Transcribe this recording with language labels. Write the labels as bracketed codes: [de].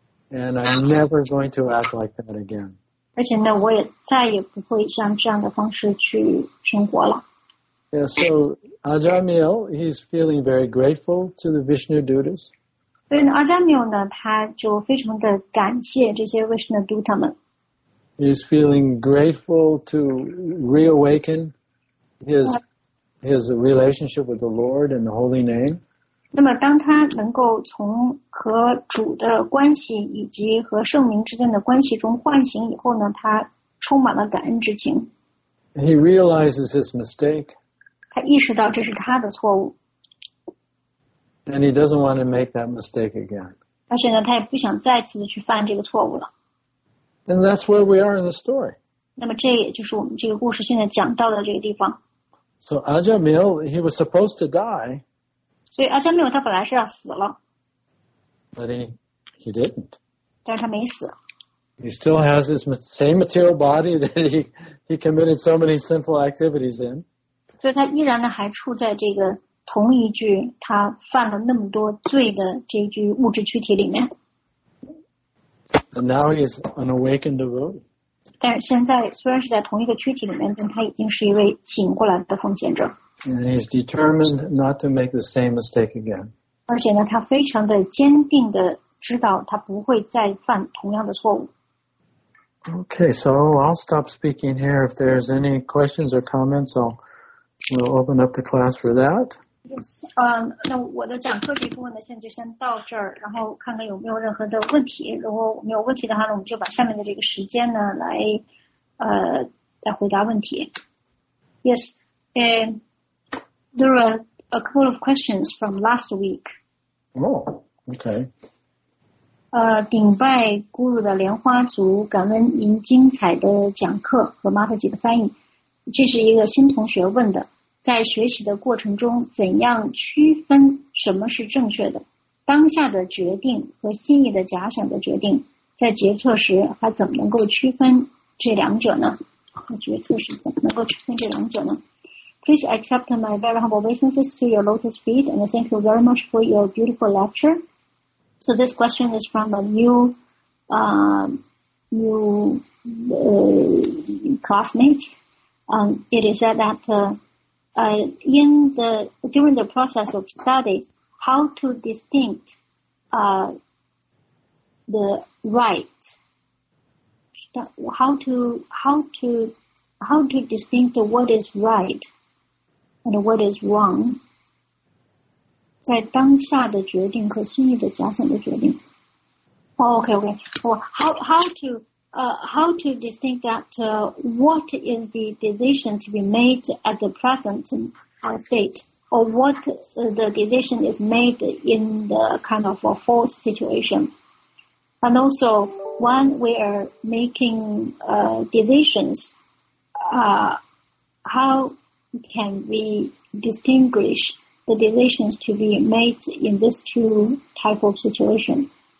[en] And I'm never going to act like that again. [zh] 而且呢，我也再也不会像这样的方式去生活了。 [en] Yeah, so Ajamil, he's feeling very grateful to the Vishnu Dutas. [zh] 所以呢，Ajamil呢，他就非常的感谢这些 Vishnu Duta 们。 [en] He's feeling grateful to reawaken his relationship with the Lord and the Holy Name. [zh] 那么当他能够从和主的关系以及和圣名之间的关系中唤醒以后呢，他充满了感恩之情。 [en] He realizes his mistake. [zh] 他意识到这是他的错误。 [en] And he doesn't want to make that mistake again. [zh] 而且呢，他也不想再次去犯这个错误了。 [en] And that's where we are in the story. [zh] 那么这也就是我们这个故事现在讲到的这个地方。 [en] So Ajamil, he was supposed to die. [zh] 所以 Ajamil 他本来是要死了。 [en] But he didn't. [zh] 但是他没死。 [en] He still has his same material body that he committed so many sinful activities in. [zh] 所以他依然呢还处在这个同一具他犯了那么多罪的这具物质躯体里面。 [en] And now he's an awakened devotee. [zh] 但是现在虽然是在同一个躯体里面，但他已经是一位醒过来的奉献者。 [en] And he's determined not to make the same mistake again. [zh] 而且呢，他非常的坚定的知道他不会再犯同样的错误。 [en] Okay, so I'll stop speaking here. If there's any questions or comments, we'll open up the class for that. [zh] Yes, 那我的讲课这部分呢，现在就先到这儿，然后看看有没有任何的问题。如果没有问题的话呢，我们就把下面的这个时间呢来回答问题。 [en] Yes, there are a couple of questions from last week. Oh, okay. [zh] 顶拜咕噜的莲花族，感恩您精彩的讲课和马特吉的翻译。这是一个新同学问的。在学习的过程中，怎样区分什么是正确的？当下的决定和心意的假想的决定，在决策时还怎么能够区分这两者呢？在决策时怎么能够区分这两者呢 [en] ？Please accept my very humble obeisances to your lotus feet, and thank you very much for your beautiful lecture. So this question is from a new classmate. It is said that. During the process of study, how to distinct the right? How to distinct what is right and what is wrong? [zh] 在当下的决定和心意的加上的决定。 [en] Oh, okay, okay. How to distinct that what is the decision to be made at the present state, or what the decision is made in the kind of a false situation? And also, when we are making decisions, how can we distinguish the decisions to be made in these two type of situation?